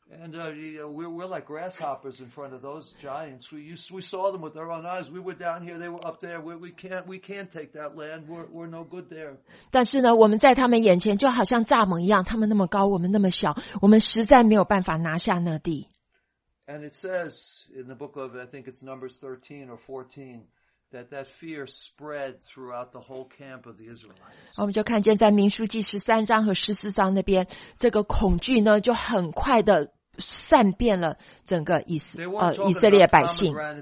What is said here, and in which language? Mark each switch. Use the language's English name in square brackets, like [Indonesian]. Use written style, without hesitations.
[English] And we're like grasshoppers in front of those giants. We saw them with our own eyes. We were down here, they were up there. We can't take that land. We're no good there. [Chinese] 但是呢，我们在他们眼前就好像蚱蜢一样，他们那么高，我们那么小，我们实在没有办法拿下那地。 [English] And it says in the book of, I think it's Numbers 13 or 14, that fear spread throughout the whole camp of the Israelites. [Chinese] 我们就看见在民数记13章和14章那边，这个恐惧呢就很快的散遍了整个以色列百姓。